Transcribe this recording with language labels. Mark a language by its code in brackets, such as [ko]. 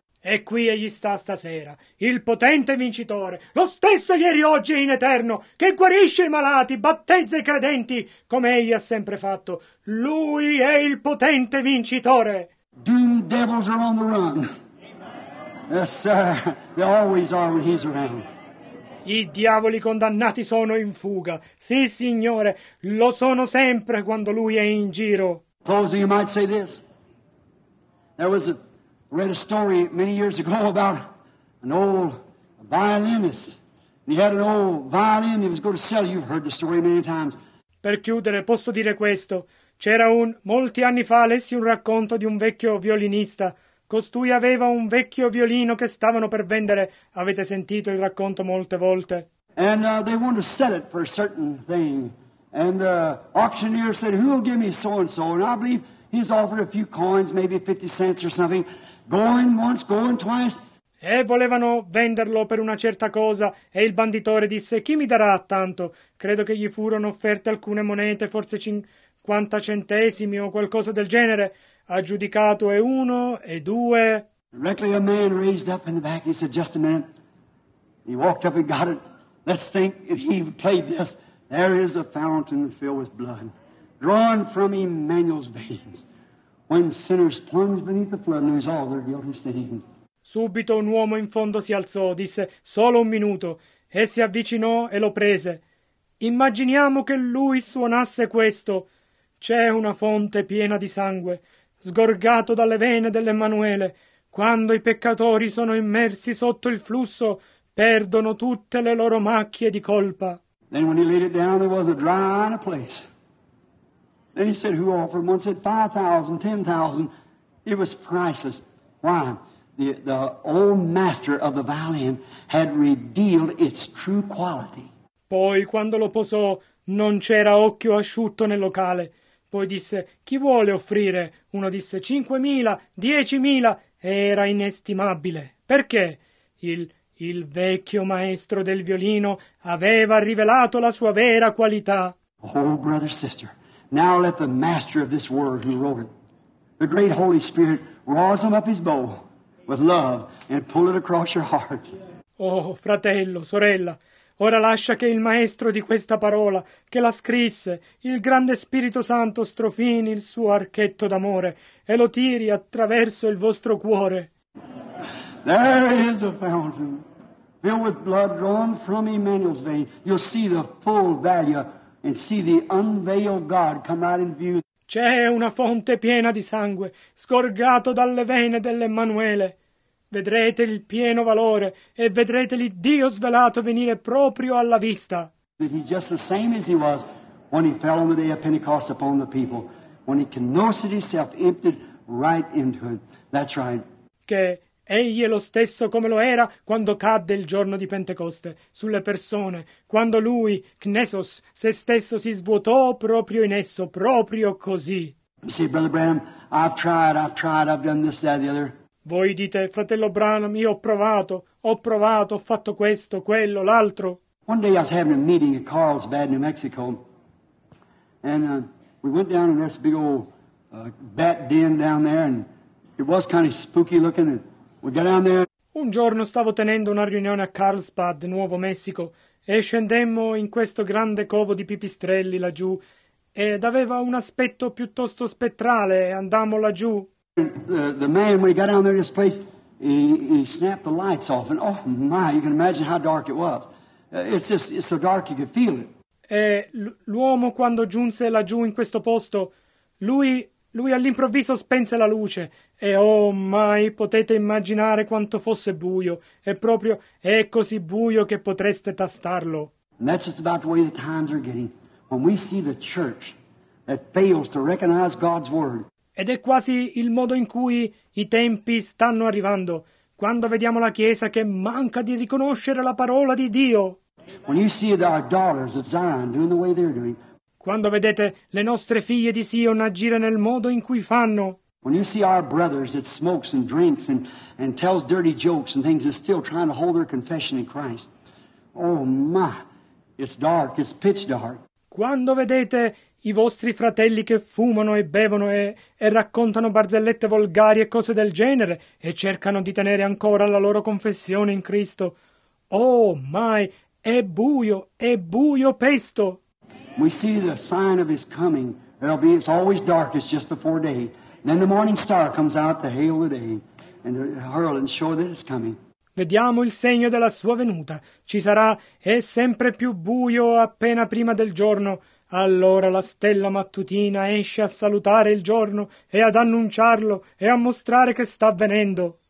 [it] E qui egli sta stasera, il potente vincitore, lo stesso ieri, oggi e in eterno, che guarisce i malati, battezza i credenti, come egli ha sempre fatto. Lui è il potente vincitore. [en] Doomed devils are on the run. Yes, sir. They always are when he's around. [it] I diavoli condannati sono in fuga. Sì, Signore, lo sono sempre quando Lui è in giro. [en] Closing, you might say this. There was a, read a story many years ago about an old violinist. He had an old violin he was going to sell. You've heard the story many times. [it] Per chiudere posso dire questo. C'era un... molti anni fa lessi un racconto di un vecchio violinista. Costui aveva un vecchio violino che stavano per vendere. Avete sentito il racconto molte volte? [en] And they wanted to sell it for a certain thing. And the auctioneer said, who will give me so-and-so? And I believe he's offered a few coins, maybe 50 cents or something. Going once, going twice. [it] E volevano venderlo per una certa cosa, e il banditore disse, chi mi darà tanto? Credo che gli furono offerte alcune monete, forse 50 centesimi o qualcosa del genere. Ha giudicato, e uno, e due. [en] Directly a man raised up in the back, he said, just a minute. He walked up and got it. Let's think, if he played this, there is a fountain filled with blood, drawn from Emmanuel's veins. When sinners plunge beneath the flood, lose all their guilty stains. [it] Subito un uomo in fondo si alzò, disse, solo un minuto, e si avvicinò e lo prese. Immaginiamo che lui suonasse questo. C'è una fonte piena di sangue, sgorgato dalle vene dell'Emmanuele. Quando i peccatori sono immersi sotto il flusso, perdono tutte le loro macchie di colpa. [en] Then when he laid it down, there was a dry eye in a place. Then he said, who offered? One said, 5,000, 10,000. It was priceless. Why? The old master of the violin had revealed its true quality. [it] Poi, quando lo posò, non c'era occhio asciutto nel locale. Poi disse, chi vuole offrire? Uno disse, 5,000, 10,000. Era inestimabile. Perché? Il vecchio maestro del violino aveva rivelato la sua vera qualità. [en] Oh, brother, sister, now let the master of this world who wrote it, the great Holy Spirit, rosom up his bow with love and pull it across your heart. [it] Oh, fratello, sorella, ora lascia che il maestro di questa parola, che la scrisse, il grande Spirito Santo strofini il suo archetto d'amore e lo tiri attraverso il vostro cuore. [en] There is a fountain filled with blood drawn from Emmanuel's vein. You'll see the full value and see the unveiled God come out in view. [it] C'è una fonte piena di sangue, scorgato dalle vene dell'Emmanuele. Vedrete il pieno valore e vedrete il Dio svelato venire proprio alla vista. [en] That he just the same as he was when he fell on the day of Pentecost upon the people, when he kenosed himself, emptied right into it. That's right. [it] Che egli è lo stesso come lo era quando cadde il giorno di Pentecoste sulle persone, quando lui, Knessos, se stesso si svuotò proprio in esso, proprio così. [en] You see, Brother Branham, I've tried, I've done this, that, the other. [it] Voi dite, fratello Branham, io ho provato, ho fatto questo, quello, l'altro. [en] One day I was having a meeting at Carlsbad, New Mexico, and we went down in this big old bat den down there, and it was kind of spooky looking. [it] Un giorno stavo tenendo una riunione a Carlsbad, Nuovo Messico, e scendemmo in questo grande covo di pipistrelli laggiù, ed aveva un aspetto piuttosto spettrale, e andammo laggiù. [en] The man, when he got down there in this place, he snapped the lights off, and oh my, you can imagine how dark it was. It's so dark you could feel it. [it] E l'uomo, quando giunse laggiù in questo posto, lui all'improvviso spense la luce. E oh mai, potete immaginare quanto fosse buio. E proprio è così buio che potreste tastarlo. [en] And that's just about the way the times are getting. When we see the church that fails to recognize God's word. [it] Ed è quasi il modo in cui i tempi stanno arrivando. Quando vediamo la Chiesa che manca di riconoscere la parola di Dio. [en] When you see our daughters of Zion doing the way they're doing. [it] Quando vedete le nostre figlie di Sion agire nel modo in cui fanno. [en] When you see our brothers that smokes and drinks and tells dirty jokes and things and still trying to hold their confession in Christ. Oh my, it's dark, it's pitch dark. [it] Quando vedete i vostri fratelli che fumano e bevono e raccontano barzellette volgari e cose del genere e cercano di tenere ancora la loro confessione in Cristo. [en] Oh my, [it] è buio pesto. [en] We see the sign of his coming. It's always darkest just before day. Then the morning star comes out to hail the day and hurl and show that it's coming. [it] Vediamo il segno della sua venuta. Ci sarà, è sempre più buio appena prima del giorno. Allora la stella mattutina esce a salutare il giorno e ad annunciarlo e a mostrare che sta avvenendo.